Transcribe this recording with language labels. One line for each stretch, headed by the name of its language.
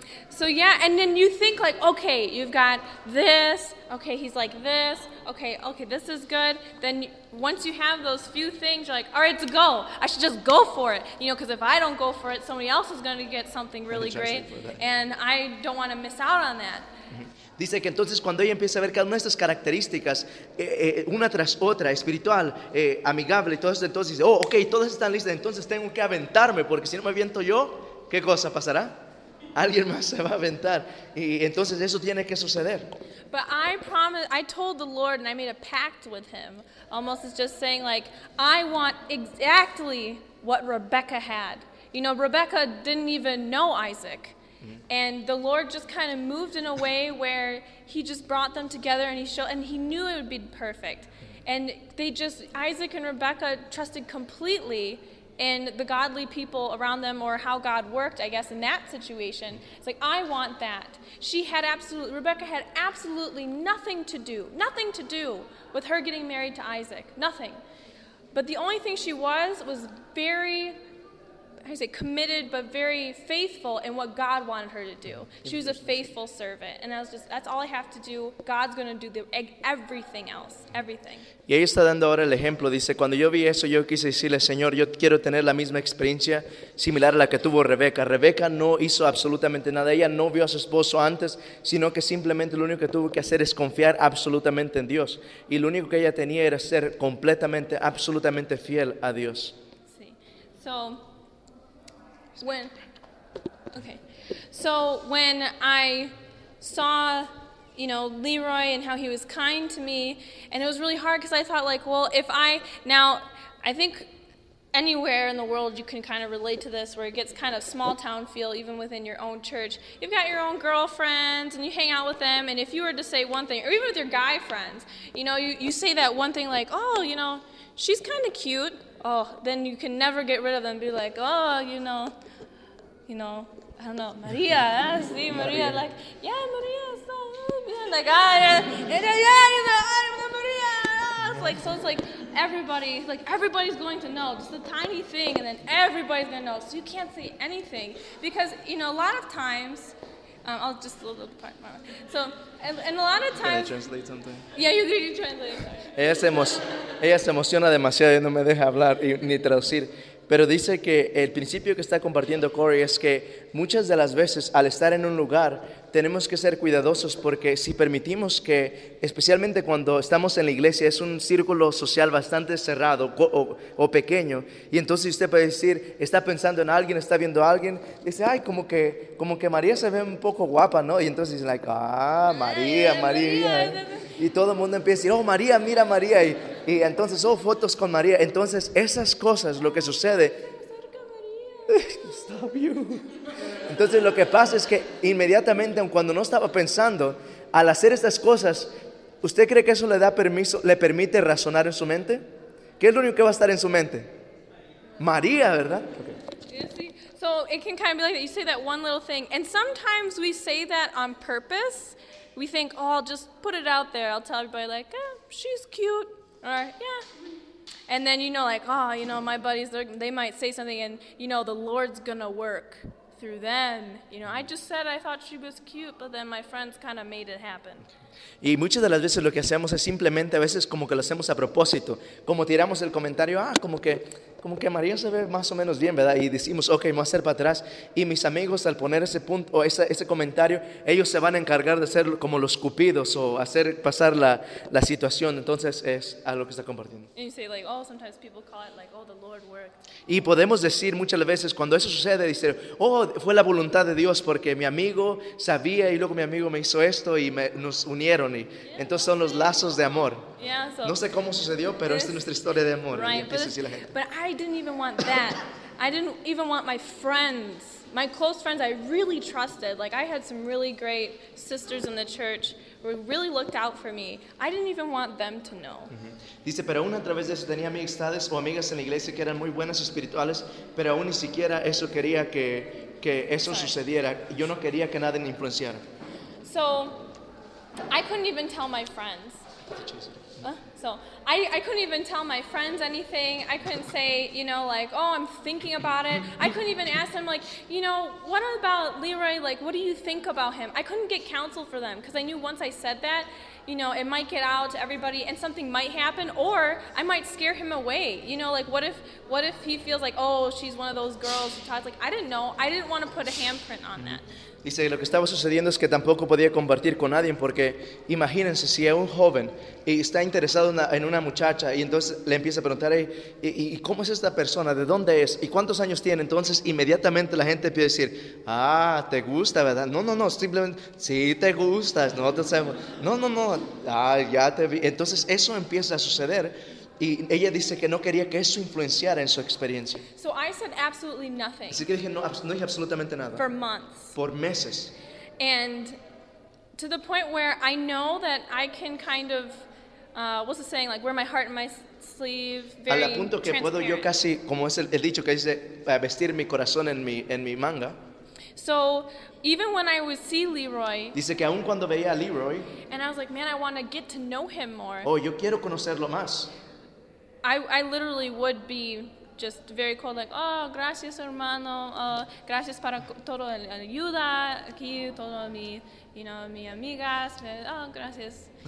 English: So yeah, and then you think like, okay, you've got this. Okay, he's like this. Okay, this is good. Then once you have those few things, you're like, all right, it's a go. I should just go for it. You know, because if I don't go for it, somebody else is going to get something really great. And I don't want to miss out on that.
Spanish: Dice que entonces cuando ella empieza a ver cada una de estas características, una tras otra, espiritual, amigable y todo eso, entonces dice, ok, todas están listas, entonces tengo que aventarme, porque si no me aviento yo, ¿qué cosa pasará? alguien más se va a aventar, y entonces eso tiene que suceder.
English: But I promised, I told the Lord and I made a pact with him. Almost as just saying like, I want exactly what Rebecca had. You know, Rebecca didn't even know Isaac. And the Lord just kind of moved in a way where he just brought them together and he showed, and he knew it would be perfect. And they just, Isaac and Rebecca trusted completely in the godly people around them, or how God worked, I guess, in that situation. It's like, I want that. She had absolutely, Rebecca had absolutely nothing to do with her getting married to Isaac. Nothing. But the only thing she was very, I say committed, but very faithful in what God wanted her to do. She was a faithful servant. And I was just, that's all I have to do. God's going to do everything else. Everything.
Spanish: Y ahí está dando ahora el ejemplo. Dice, cuando yo vi eso, yo quise decirle, Señor, yo quiero tener la misma experiencia similar a la que tuvo Rebeca. Rebeca no hizo absolutamente nada. Ella no vio a su esposo antes, sino que simplemente lo único que tuvo que hacer es confiar absolutamente en Dios. Y lo único que ella tenía era ser completamente, absolutamente fiel a Dios. Sí.
English: So, when, okay, so when I saw, you know, Leroy and how he was kind to me, and it was really hard because I thought like, well, if I, now, I think anywhere in the world you can kind of relate to this where it gets kind of small town feel even within your own church. You've got your own girlfriends and you hang out with them, and if you were to say one thing, or even with your guy friends, you know, you say that one thing like, oh, you know, she's kind of cute. Oh, then you can never get rid of them. Be like, oh, you know, I don't know, Maria. See, Maria, like, yeah, Maria, so, like, ah, Maria. So it's like everybody's going to know. Just a tiny thing, and then everybody's going to know. So you can't say anything. Because, you know, a lot of times, I'll just a little part. So, and a lot of times. Can I translate something? Yeah, you can translate.
Spanish: Ella se emociona demasiado y no me deja hablar y, ni traducir. Pero dice que el principio que está compartiendo Corey es que muchas de las veces al estar en un lugar tenemos que ser cuidadosos, porque si permitimos que, especialmente cuando estamos en la iglesia, es un círculo social bastante cerrado o pequeño, y entonces usted puede decir, está pensando en alguien, está viendo a alguien, dice, ay, como que María se ve un poco guapa, ¿no? Y entonces dice, like, ah, María, María. Y todo el mundo empieza a decir, oh, María, mira a María. Y entonces, oh, fotos con María. Entonces, esas cosas, lo que sucede.
English: Stop you.
Spanish: Entonces lo que pasa es que inmediatamente, aun cuando no estaba pensando, al hacer estas cosas, ¿usted cree que eso le da permiso, le permite razonar en su mente? ¿Qué es lo único que va a estar en su mente? María, ¿verdad?
English: Okay. So it can kind of be like that. You say that one little thing, and sometimes we say that on purpose. We think, oh, I'll just put it out there. I'll tell everybody like, eh, she's cute, or yeah. And then, you know, like, oh, you know, my buddies, they might say something, and, you know, the Lord's going to work through them. You know, I just said I thought she was cute, but then my friends kind of made it happen.
Spanish: Y muchas de las veces lo que hacemos es simplemente, a veces como que lo hacemos a propósito. Como tiramos el comentario, ah, como que María se ve más o menos bien, ¿verdad? Y decimos, ok, me voy a hacer para atrás. Y mis amigos, al poner ese punto o ese comentario, ellos se van a encargar de ser como los cupidos o hacer pasar la situación. Entonces, es algo que está compartiendo.
English: And you say, like, oh, sometimes people call it, like, oh, the Lord worked.
Spanish: Y podemos decir muchas veces, cuando eso sucede, dice, oh, fue la voluntad de Dios, porque mi amigo sabía y luego mi amigo me hizo esto y nos unieron. Y,
English: yeah.
Spanish: Entonces, son los lazos de amor.
English: Yeah, so,
Spanish: no sé cómo sucedió, pero esta es nuestra historia de amor.
English: But I didn't even want that. I didn't even want my friends, my close friends I really trusted. Like, I had some really great sisters in the church who really looked out for me. I didn't even want them to know.
Spanish: Dice, pero aún a través de eso tenía amistades o amigas en la iglesia que eran muy buenas espirituales, pero aún ni siquiera eso quería que eso sucediera. Yo no quería que nadie me influenciara.
English: So, I couldn't even tell my friends. So I couldn't even tell my friends anything. I couldn't say, you know, like, oh, I'm thinking about it. I couldn't even ask them, like, you know, what about Leroy? Like, what do you think about him? I couldn't get counsel for them because I knew once I said that, you know, it might get out to everybody and something might happen, or I might scare him away. You know, like, what if he feels like, oh, she's one of those girls who talks? Like, I didn't know. I didn't want to put a handprint on that.
Spanish: Dice, lo que estaba sucediendo es que tampoco podía compartir con nadie, porque imagínense si es un joven y está interesado en una muchacha y entonces le empieza a preguntar, ¿y cómo es esta persona? ¿De dónde es? ¿Y cuántos años tiene? Entonces inmediatamente la gente empieza a decir, ah, te gusta, ¿verdad? No, simplemente, sí te gustas, no te sabemos. No, ah, ya te vi. Entonces eso empieza a suceder. Y ella dice que no quería que eso influenciara en su experiencia.
English: So I said absolutely nothing.
Spanish: Así que dije, no dije absolutamente nada.
English: For months.
Spanish: Por meses.
English: And to the point where I know that I can kind of, what's the saying, like wear my heart in my sleeve, very transparent.
Spanish: Al punto que puedo yo casi, como es el dicho que dice, vestir mi corazón en mi manga.
English: So even when I would see Leroy,
Spanish: dice que aun cuando veía a Leroy,
English: and I was like, man, I want to get to know him more.
Spanish: Oh, yo quiero conocerlo más.
English: I literally would be just very cold, like, oh,
Spanish: gracias, hermano. Gracias para todo el ayuda aquí, todo mi,
English: you know,
Spanish: mi amigas. Oh, gracias.